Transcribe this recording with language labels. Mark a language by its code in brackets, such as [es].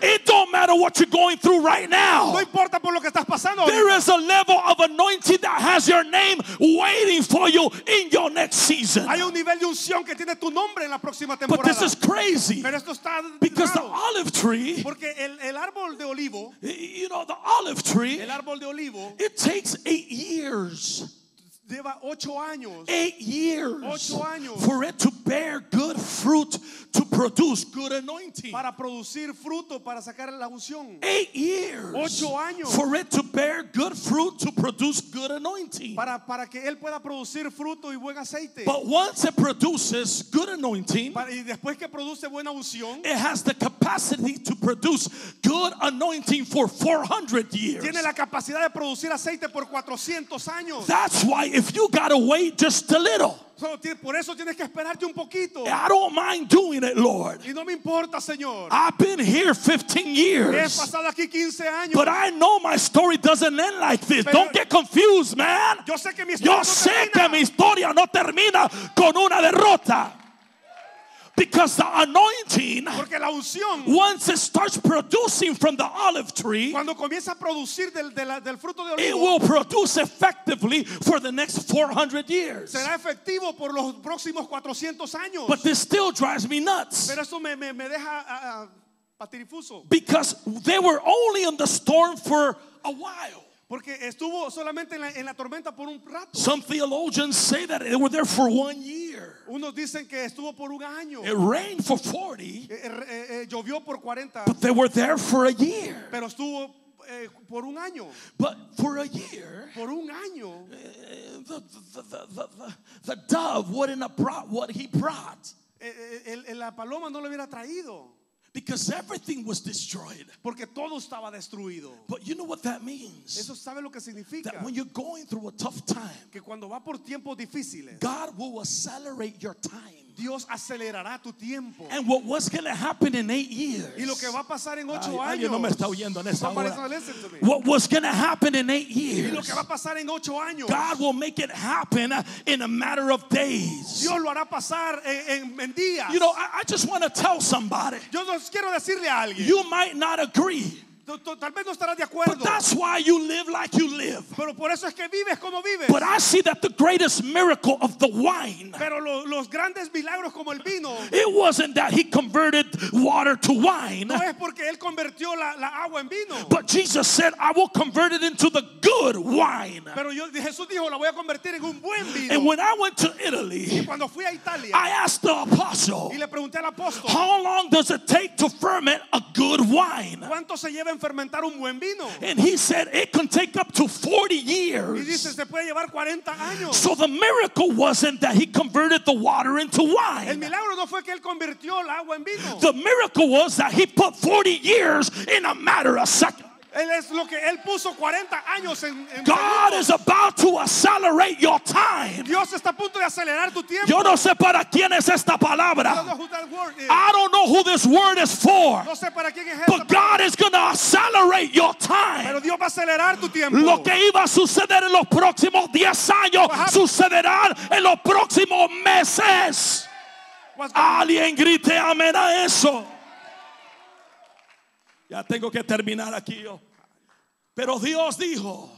[en] It don't matter what you're going through right now. [es] No importa por lo que estás pasando. [en] There is a level of anointing that has your name waiting for you in your next season. [es] Hay un nivel de unción que tiene tu nombre en la próxima temporada. [en] But this is crazy. [es] Pero esto está [en] because [es] raro. [en] The olive tree. [es] Porque el árbol de olivo. [en] You know the olive tree. [es] El árbol de olivo. [en] It takes 8 years. [es] Lleva 8 años. [en] 8 years. [es] 8 años. [en] For it to bear good fruit. To produce good anointing. [es] Para producir fruto, para sacar la unción. [en] 8 years. [es] 8 años. [en] For it to bear good fruit to produce good anointing. [es] Para que él pueda producir fruto y buen aceite. [en] But once it produces good anointing, [es] y después que produce buena unción, [en] it has the capacity to produce good anointing for 400 years. [es] Tiene la capacidad de producir aceite por 400 años. [en] That's why if you gotta wait just a little. [es] Por eso tienes que esperarte un poquito. [en] I don't mind doing it, Lord. [es] Y no me importa, Señor. [en] I've been here 15 years. [es] He pasado aquí 15 años. [en] But I know my story doesn't end like this. [es] Pero [en] don't get confused, man. [es] Yo sé que mi historia yo no sé termina. Que mi historia no termina con una derrota. [en] Because the anointing, [es] porque la unción, [en] once it starts producing from the olive tree, [es] cuando comienza a producir del fruto de olivo, [en] it will produce effectively for the next 400 years. [es] Será efectivo por los próximos 400 años. [en] But this still drives me nuts. [es] Pero eso me deja, patirifuso. [en] Because they were only in the storm for a while. [es] Porque estuvo solamente en la tormenta por un rato. [en] Some theologians say that they were there for 1 year. [es] Unos dicen que estuvo por un año. [en] It rained for 40. [es] Llovió por 40. [en] But they were there for a year. [es] Pero estuvo por un año. [en] But for a year. [es] Por un año. [en] The dove wouldn't have brought what he brought. [es] La paloma no lo hubiera traído. [en] Because everything was destroyed. [es] Porque todo estaba destruido. [en] But you know what that means? [es] Eso sabe lo que significa. [en] That when you're going through a tough time, [es] que cuando va por tiempos difíciles, [en] God will accelerate your time. [es] Dios acelerará tu tiempo. [en] And what was going to happen in 8 years? [es] Y lo que va a pasar en 8 años. Alguien no me está oyendo en esta hora. [en] What was going to happen in 8 years? [es] Y lo que va a pasar en 8 años. [en] God will make it happen in a matter of days. [es] Dios lo hará pasar en días. [en] You know, I just want to tell somebody. [es] Yo los quiero decirle a alguien. [en] You might not agree. [es] Tal vez no estarás de acuerdo. [en] But that's why you live like you live. [es] Pero por eso es que vives como vives. [en] But I see that the greatest miracle of the wine. [es] Pero los grandes milagros como el vino. [en] It wasn't that he converted water to wine. [es] No es porque él convirtió la agua en vino. [en] But Jesus said, I will convert it into the good wine. [es] Pero Jesús dijo, la voy a convertir en un buen vino. [en] And when I went to Italy, [es] y cuando fui a Italia, [en] I asked the apostle, [es] y le pregunté al apóstol, [en] how long does it take to ferment a good wine? [es] ¿Cuánto se lleva fermentar un buen vino? [en] And he said it can take up to 40 years. [es] Y dice, se puede llevar 40 años. [en] So the miracle wasn't that he converted the water into wine. [es] El milagro no fue que él convirtió el agua en vino. [en] The miracle was that he put 40 years in a matter of seconds. [es] Él es lo que él puso 40 años en [en] God is about to accelerate your time. [es] Dios está a punto de acelerar tu tiempo. Yo no sé para quién es esta palabra. [en] I don't know who this word is for. [es] No sé para quién es esta. [en] But God is going to accelerate your time. [es] Pero Dios va a acelerar tu tiempo. Lo que iba a suceder en los próximos 10 años sucederá en los próximos meses. Alguien grite amén a eso. Ya tengo que terminar aquí yo. Pero Dios dijo,